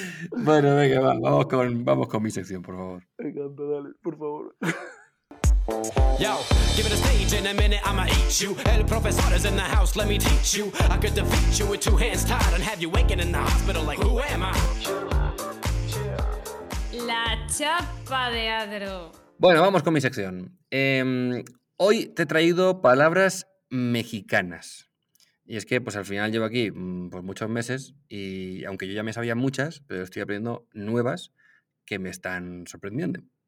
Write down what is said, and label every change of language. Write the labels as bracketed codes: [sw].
[es] Bueno, venga, vamos con mi sección, por favor. Encanta, dale, por favor. [en] Yo, give me the stage in a minute, I'ma eat you. [es] El profesor [en] is in the house, let me teach you. I could defeat you with two hands tied and have you waking in the hospital like, who am I? [es] La chapa de Adro. Bueno, vamos con mi sección. Hoy te he traído palabras mexicanas. Y es que, pues al final llevo aquí pues, muchos meses y aunque yo ya me sabía muchas, pero estoy aprendiendo nuevas que me están sorprendiendo.